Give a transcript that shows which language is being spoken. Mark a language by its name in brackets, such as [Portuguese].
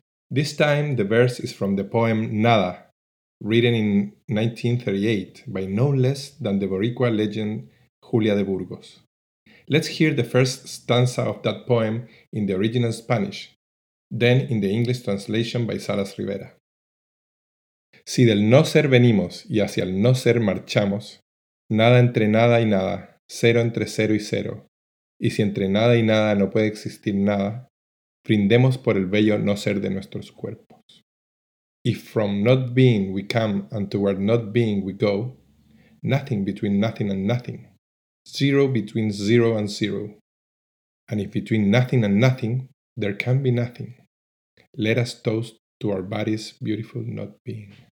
[English] This time, the verse is from the poem Nada, written in 1938 by no less than the Boricua legend Julia de Burgos. Let's hear the first stanza of that poem in the original Spanish, then in the English translation by Salas Rivera. [Spanish] Si del no ser venimos y hacia el no ser marchamos, nada entre nada y nada, cero entre cero y cero, y si entre nada y nada no puede existir nada, brindemos por el bello no ser de nuestros cuerpos. [English] If from not being we come and toward not being we go, nothing between nothing and nothing, zero between zero and zero, and if between nothing and nothing, there can be nothing, let us toast to our bodies' beautiful not being.